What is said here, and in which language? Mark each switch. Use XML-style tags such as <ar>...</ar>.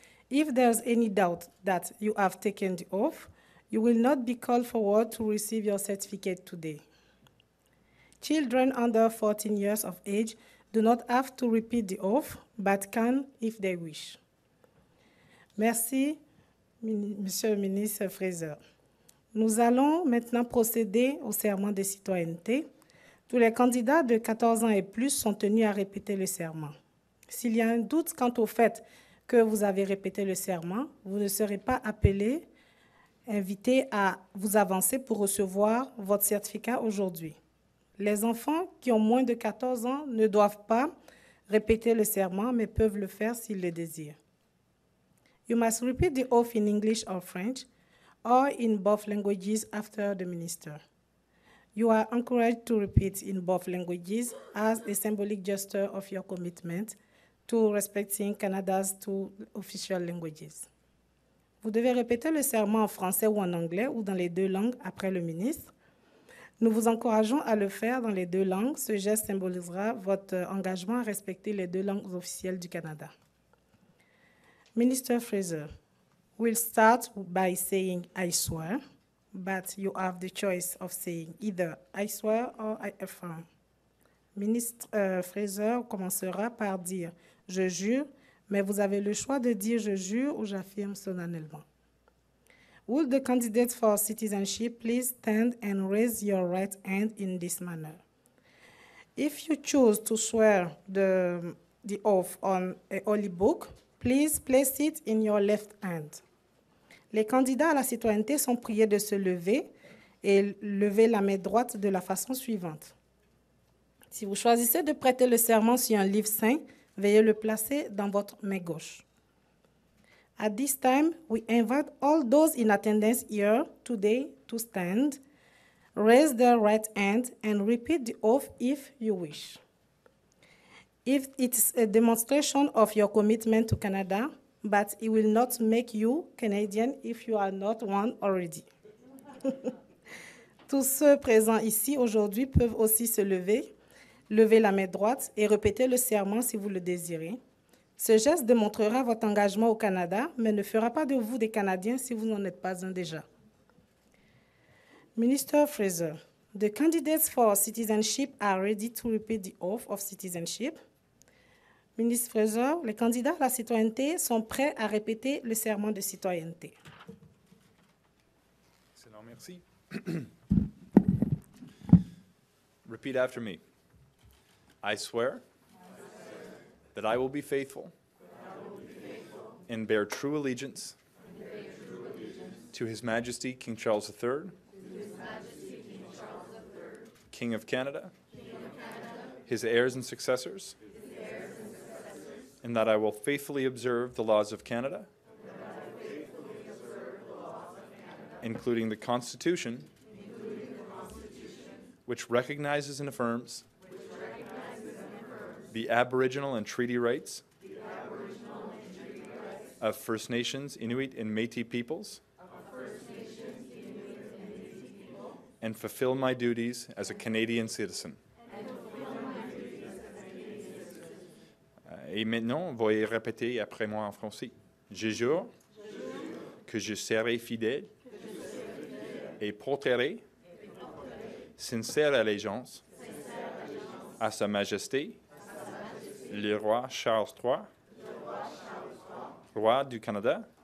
<en>If there's any doubt that you have taken the oath, you will not be called forward to receive your certificate today. Children under 14 years of age do not have to repeat the oath, but can if they wish.</en> <fr>Merci, Monsieur le Ministre Fraser. Nous allons maintenant procéder au serment de citoyenneté. Tous les candidats de 14 ans et plus sont tenus à répéter le serment. S'il y a un doute quant au fait que vous avez répété le serment, vous ne serez pas appelé, invité à vous avancer pour recevoir votre certificat aujourd'hui. Les enfants qui ont moins de 14 ans ne doivent pas répéter le serment, mais peuvent le faire s'ils le désirent.</fr> <en>You must repeat the oath in English or French, or in both languages after the minister. You are encouraged to repeat in both languages as a symbolic gesture of your commitment to respecting Canada's two official languages.</en> <fr>Vous devez répéter le serment en français ou en anglais ou dans les deux langues après le ministre. Nous vous encourageons à le faire dans les deux langues. Ce geste symbolisera votre engagement à respecter les deux langues officielles du Canada.</fr> <en>Minister Fraser, we'll start by saying I swear, but you have the choice of saying either I swear or I affirm.</en> <fr>Ministre Fraser commencera par dire je jure, mais vous avez le choix de dire je jure ou j'affirme solennellement.</fr> <en>Will the candidate for citizenship please stand and raise your right hand in this manner? If you choose to swear the oath on a holy book, please place it in your left hand.</en> <fr>Les candidats à la citoyenneté sont priés de se lever et lever la main droite de la façon suivante. Si vous choisissez de prêter le serment sur un livre saint, veuillez le placer dans votre main gauche.</fr> <en>At this time, we invite all those in attendance here today to stand, raise their right hand and repeat the oath if you wish. If it's a demonstration of your commitment to Canada, but it will not make you Canadian if you are not one already.</en> <fr>Tous ceux présents ici aujourd'hui peuvent aussi se lever, lever la main droite et répéter le serment si vous le désirez. Ce geste démontrera votre engagement au Canada, mais ne fera pas de vous des Canadiens si vous n'en êtes pas un déjà.</fr> <en>Minister Fraser, the candidates for citizenship are ready to repeat the oath of citizenship.</en> <fr>Ministre Fraser, les candidats à la citoyenneté sont prêts à répéter le serment de citoyenneté. Excellent, merci.</fr> <en>Repeat after me. I swear that I will be faithful and bear true allegiance to His Majesty King Charles III, King of Canada, his heirs and successors, and that I will faithfully observe the laws of Canada, including the Constitution, which recognizes and affirms the Aboriginal and Treaty Rights of First Nations, Inuit, and Métis peoples, and fulfill my duties as a Canadian citizen.</en> <fr>Et maintenant, veuillez répéter après moi en français. Je jure que je serai fidèle et porterai sincère allégeance à Sa Majesté, le roi Charles III, roi du Canada,</fr>